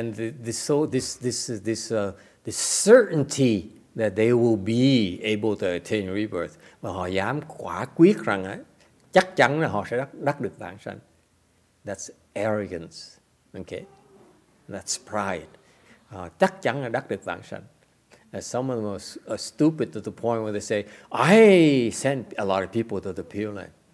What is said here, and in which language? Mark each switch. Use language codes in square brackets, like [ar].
[en] And this certainty that they will be able to attain rebirth. [vi] Và họ dám quả quyết rằng chắc chắn là họ sẽ đắc được vãng sanh. [en] That's arrogance. Okay? That's pride. [vi] Chắc chắn là đắc được vãng sanh. [en] Some of them are stupid to the point where they say, I sent a lot of people to the Pure Land.